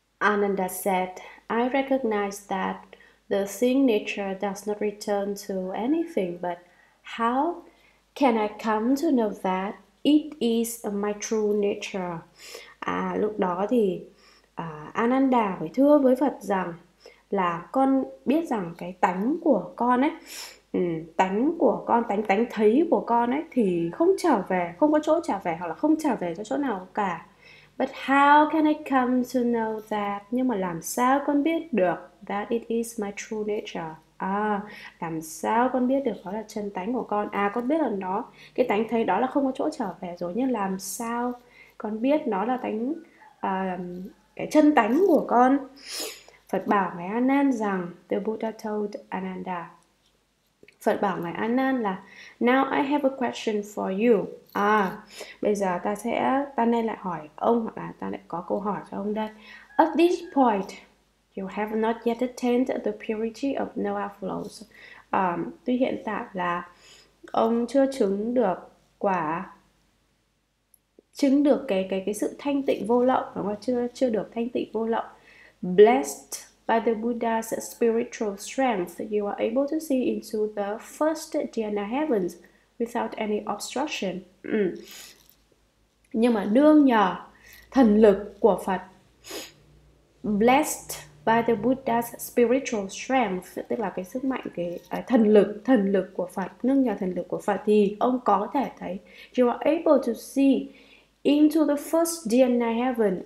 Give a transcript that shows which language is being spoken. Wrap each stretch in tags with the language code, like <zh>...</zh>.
<en>Ananda said, "I recognize that the seeing nature does not return to anything, but how can I come to know that it is my true nature?"</en> <vi>À, lúc đó thì Ananda phải thưa với Phật rằng là con biết rằng cái tánh của con ấy, tánh của con, tánh tánh thấy của con ấy thì không trở về, không có chỗ trở về hoặc là không trở về cho chỗ nào cả.</vi> <en>But how can I come to know that?</en> <vi>Nhưng mà làm sao con biết được</vi> <en>that it is my true nature?</en> <vi>À, làm sao con biết được đó là chân tánh của con? À, con biết là nó, cái tánh thấy đó là không có chỗ trở về rồi. Nhưng làm sao con biết nó là tánh, cái chân tánh của con? Phật bảo ngài Anan rằng,</vi> <en>the Buddha told Ananda.</en> <vi>Phật bảo ngài Anan là,</vi> <en>now I have a question for you.</en> <vi>À, bây giờ ta nên lại hỏi ông, hoặc là ta lại có câu hỏi cho ông đây.</vi> <en>At this point, you have not yet attained the purity of no outflows.</en> <vi>Tuy hiện tại là ông chưa chứng được quả, chứng được cái sự thanh tịnh vô lậu, đúng không? Chưa được thanh tịnh vô lậu.</vi> <en>Blessed by the Buddha's spiritual strength, you are able to see into the first Dhyana heavens without any obstruction.</en> <vi>Nhưng mà nương nhờ thần lực của Phật,</vi> <en>blessed by the Buddha's spiritual strength,</en> <vi>tức là cái sức mạnh, cái thần lực của Phật, nương nhờ thần lực của Phật thì ông có thể thấy,</vi> <en>you are able to see into the first Dhyana heaven.</en>